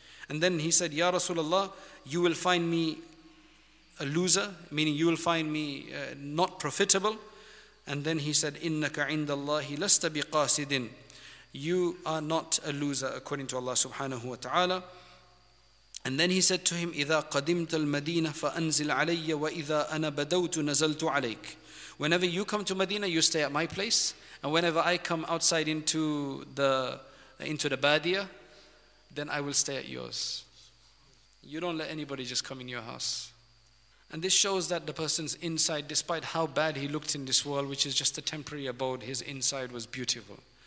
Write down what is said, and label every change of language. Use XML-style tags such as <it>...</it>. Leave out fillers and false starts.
<en>And then he said, "Ya Rasulullah, you will find me a loser," meaning you will find me not profitable. And then he said,</en> <ar>"Innaka 'inda Allahi lasta biqasidin."</ar> <en>You are not a loser according to Allah subhanahu wa ta'ala. And then he said to him,</en> <ar>إِذَا قَدِمْتَ الْمَدِينَةَ فَأَنْزِلْ عَلَيَّ وَإِذَا أَنَا بَدَوْتُ نَزَلْتُ عَلَيْكَ.</ar> <en>Whenever you come to Medina, you stay at my place. And whenever I come outside into the Badia, then I will stay at yours. You don't let anybody just come in your house. And this shows that the person's inside, despite how bad he looked in this world, which is just a temporary abode, his inside was beautiful.</en>